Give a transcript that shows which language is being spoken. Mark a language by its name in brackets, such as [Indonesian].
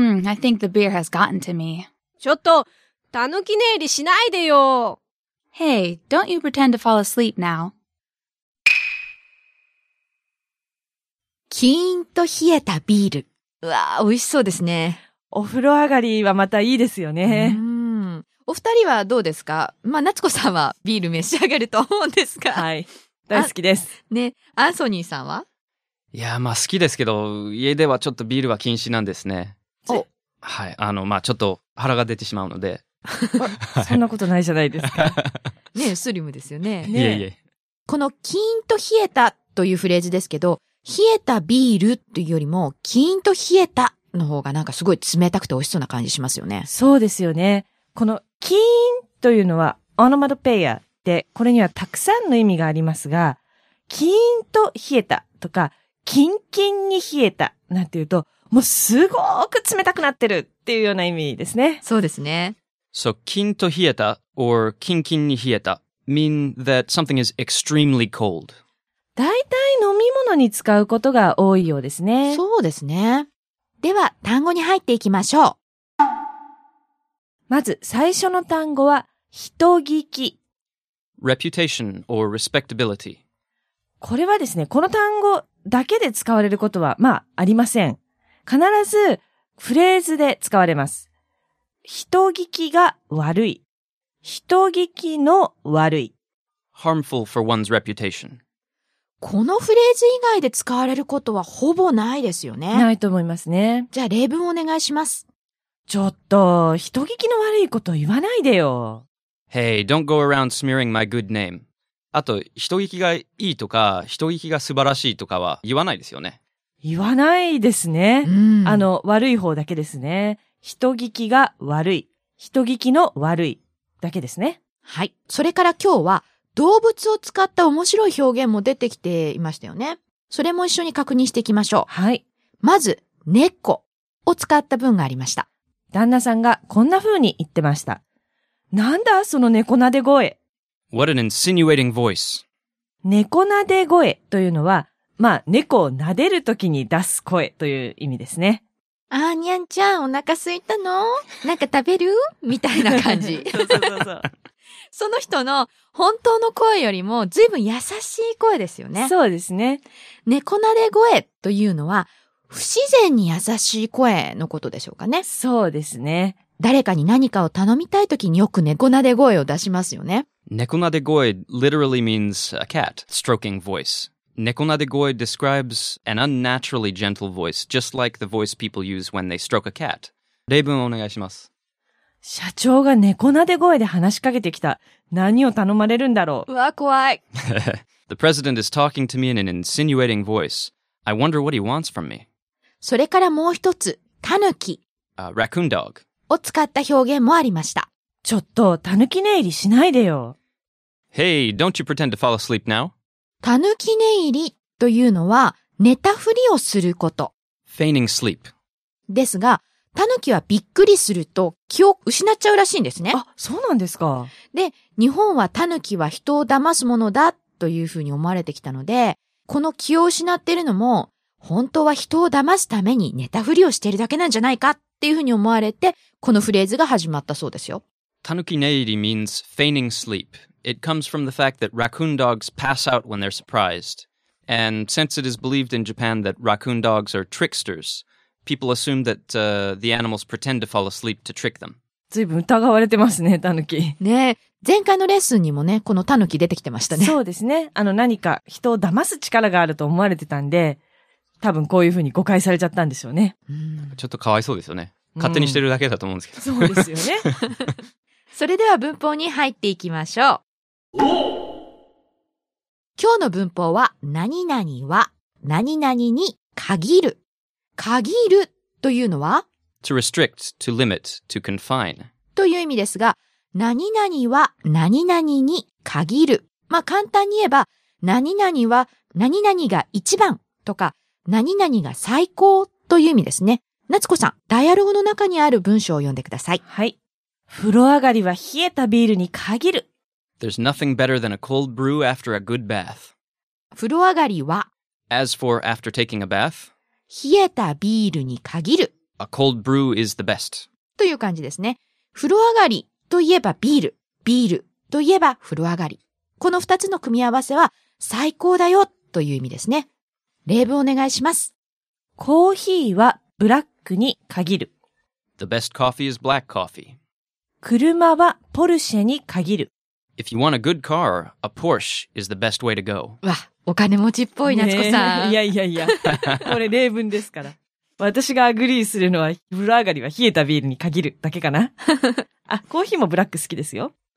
[English] I think the beer has gotten to me. [Japanese] ちょっと、たぬき寝入りしないでよ。 [English] Hey, don't you pretend to fall asleep now. [Japanese] キーンと冷えたビール。うわー、美味しそうですね。お風呂上がりはまたいいですよね。お二人はどうですか? まあ、夏子さんはビール召し上がると思うんですが。はい。大好きです。ね、アンソニーさんは? いやー、まあ好きですけど、家ではちょっとビールは禁止なんですね。お。はい。まあちょっと腹が出てしまうので。そんなことないじゃないですか。ね、スリムですよね。いえいえ。このキーンと冷えたというフレーズですけど、冷えたビールというよりも、キーンと冷えたの方がなんかすごい冷たくて美味しそうな感じしますよね。そうですよね。このキーンというのはオノマトペイアで、これにはたくさんの意味がありますが、キーンと冷えたとか、キンキンに冷えたなんていうと、もうすごく冷たくなってるっていうような意味ですね。そうですね。 [English] So, [Japanese] キンと冷えた [English] or [Japanese] キンキンに冷えた [English] mean that something is extremely cold. [Japanese] 大体飲み物に使うことが多いようですね。そうですね。では単語に入っていきましょう。まず最初の単語は人聞き。 [English] Reputation or respectability。 [Japanese] これはですね、この単語だけで使われることはまあありません。必ずフレーズで使われます。人聞きが悪い。人聞きの悪い。 [English] Harmful for one's reputation. [Japanese] このフレーズ以外で使われることはほぼないですよね。ないと思いますね。じゃあ例文お願いします。ちょっと、人聞きの悪いこと言わないでよ。 [English] Hey, don't go around smearing my good name. [Japanese] あと、人聞きがいいとか、人聞きが素晴らしいとかは言わないですよね。言わないですね。うん、悪い方だけですね。人聞きが悪い。人聞きの悪いだけですね。はい。それから今日は、動物を使った面白い表現も出てきていましたよね。それも一緒に確認していきましょう。はい。まず、猫を使った文がありました。旦那さんがこんな風に言ってました。なんだその猫なで声。 [English] What an insinuating voice. [Japanese] 猫なで声というのは、まあ、猫を撫でるときに出す声という意味ですね。あーにゃんちゃん、お腹すいたの? なんか食べる?みたいな感じ。そうそうそうそう。その人の本当の声よりも随分優しい声ですよね。そうですね。猫なで声というのは不自然に優しい声のことでしょうかね。そうですね。誰かに何かを頼みたいときによく猫なで声を出しますよね。 [English] 猫なで声 literally means a cat stroking voice. 猫なで声 describes an unnaturally gentle voice, just like the voice people use when they stroke a cat. [Japanese] 例文をお願いします。社長が猫なで声で話しかけてきた。何を頼まれるんだろう。うわ、怖い。 [English] The president is talking to me in an insinuating voice. I wonder what he wants from me. [Japanese] それからもう一つ、タヌキ。 [English] Raccoon dog. [Japanese] を使った表現もありました。ちょっと、タヌキ寝入りしないでよ。 [English] Hey, don't you pretend to fall asleep now? [Japanese] タヌキ寝入りというのは、寝たふりをすること。 [English] Feigning sleep. [Japanese] ですが、タヌキはびっくりすると気を失っちゃうらしいんですね。あ、そうなんですか。で、日本はタヌキは人を騙すものだというふうに思われてきたので、この気を失ってるのも、本当は人を騙すために寝たふりをしているだけなんじゃないかっていうふうに思われて、このフレーズが始まったそうですよ。 [English] タヌキ寝入り means feigning sleep. It comes from the fact that raccoon dogs pass out when they're surprised. And since it is believed in Japan that raccoon dogs are tricksters,People assume that, the animals pretend to fall asleep to trick them. [Japanese] 随分疑われてますね、タヌキ。ね、前回のレッスンにもね、このタヌキ出てきてましたね。そうですね。何か人を騙す力があると思われてたんで、多分こういうふうに誤解されちゃったんでしょうね。ちょっとかわいそうですよね。勝手にしてるだけだと思うんですけど。そうですよね。それでは文法に入っていきましょう。今日の文法は、何々は、何々に限る。限るというのは [English] To restrict, to limit, to confine. [Japanese] という意味ですが、何々は何々に限る。まあ簡単に言えば、何々は何々が一番とか、何々が最高という意味ですね。夏子さん、ダイアログの中にある文章を読んでください。はい。風呂上がりは冷えたビールに限る。 [English] There's nothing better than a cold brew after a good bath. [Japanese] 風呂上がりは [English] As for after taking a bath, [Japanese] 冷えたビールに限る。 [English] A cold brew is the best. [Japanese] という感じですね。風呂上がりといえばビール。ビールといえば風呂上がり。この二つの組み合わせは最高だよという意味ですね。例文お願いします。コーヒーはブラックに限る。 [English] The best coffee is black coffee. [Japanese] 車はポルシェに限る。 [English] If you want a good car, a Porsche is the best way to go. [Japanese] わ、お金持ちっぽい夏子さん。いやいやいや、これ例文ですから。私がアグリーするのは、風呂上がりは冷えたビールに限るだけかな。あ、コーヒーもブラック好きですよ。